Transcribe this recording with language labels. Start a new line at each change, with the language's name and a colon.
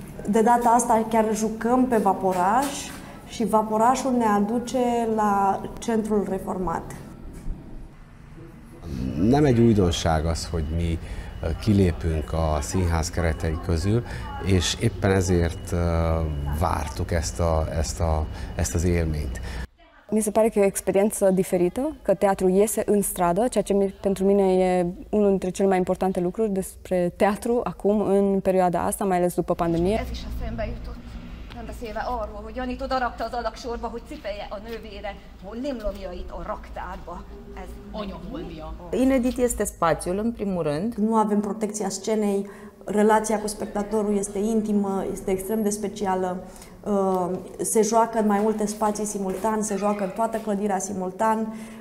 Romanian: De data asta chiar jucăm pe vaporaș și vaporașul ne aduce la centrul reformat.
Hungarian: Nem egy újdonság az, hogy mi kilépünk a színház keretei közül, és éppen ezért vártuk ezt az élményt.
Romanian: Mi se pare că e o experiență diferită, că teatrul iese în stradă, ceea ce pentru mine e unul dintre cele mai importante lucruri despre teatru acum, în perioada asta, mai ales după pandemie.
Hungarian: Ez is a szembe jutott, nem beszélve arról, hogy Janit odarakta az alaksorba, hogy cipelje a nővére, hogy limlomja itt a raktárba. Ez anyaholmia.
Romanian: Inedit este spațiul, în primul rând. Nu avem protecția scenei, relația cu spectatorul este intimă, este extrem de specială. Se joacă în mai multe spații simultan, se joacă în toată clădirea simultan.